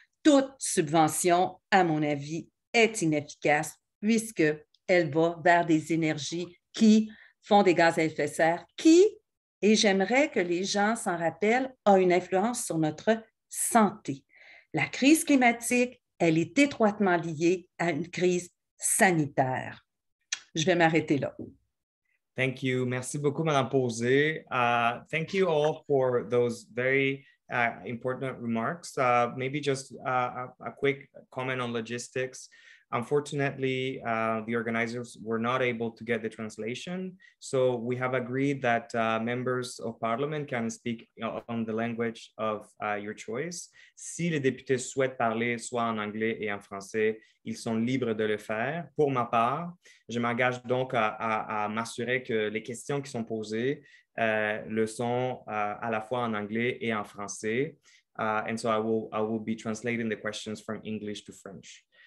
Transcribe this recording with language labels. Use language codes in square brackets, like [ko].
[fr] Toute subvention, à mon avis, est inefficace puisqu'elle va vers des énergies qui font des gaz à effet de serre, qui, et j'aimerais que les gens s'en rappellent, a une influence sur notre santé. La crise climatique, elle est étroitement liée à une crise sanitaire. Je vais m'arrêter là. [en] Thank you. [fr] Merci beaucoup, Madame Pauzé. [en] Thank you all for those very important remarks. Maybe just a quick comment on logistics. Unfortunately, the organizers were not able to get the translation. So we have agreed that members of parliament can speak on the language of your choice. [fr] Si les députés souhaitent parler soit en anglais et en français, ils sont libres de le faire. Pour ma part, je m'engage donc à m'assurer que les questions qui sont posées le sont à la fois en anglais et en français. [en] And so I will be translating the questions from English to French.